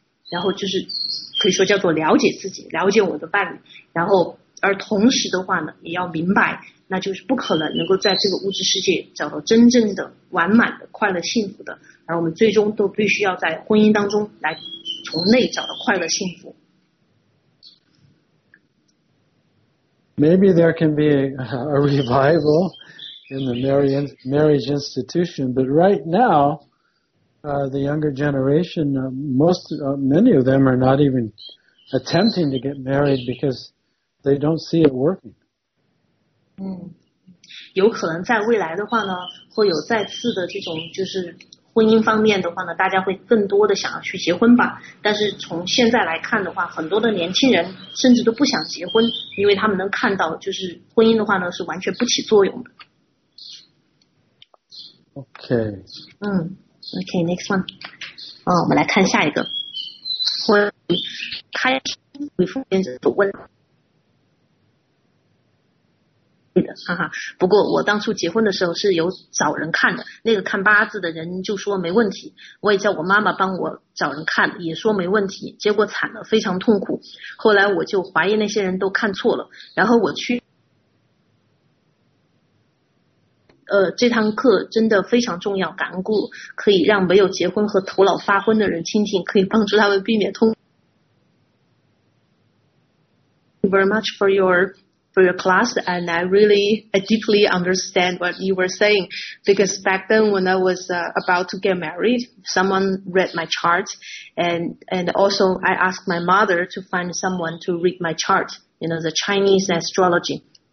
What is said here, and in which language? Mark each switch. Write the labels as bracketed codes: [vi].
[zh] 然后就是可以说叫做了解自己，了解我的伴侣，然后而同时的话呢也要明白，那就是不可能能够在这个物质世界找到真正的完满的快乐幸福的，而我们最终都必须要在婚姻当中来从内找到快乐幸福。 [en] Maybe there can be a revival in the marriage institution, but right nowthe younger generation, many of them are not even attempting to get married because they don't see it working. [zh] 有可能在未来的话呢，会有再次的这种就是婚姻方面的话呢，大家会更多的想要去结婚吧。但是从现在来看的话，很多的年轻人甚至都不想结婚，因为他们能看到就是婚姻的话呢是完全不起作用的。 [en] Okay. Okay, next one. [zh] 我们来看下一个。我开始奉献者问，对的，哈哈。不过我当初结婚的时候是有找人看的，那个看八字的人就说没问题，我也叫我妈妈帮我找人看，也说没问题，结果惨了，非常痛苦。后来我就怀疑那些人都看错了，然后我去。这堂课真的非常重要，感恩故可以让没有结婚和头脑发昏的人倾听，可以帮助他们避免痛。 [en] Thank you very much for your class, and I deeply understand what you were saying, because back then when I was about to get married, someone read my chart, and also I asked my mother to find someone to read my chart, you know, the Chinese astrology.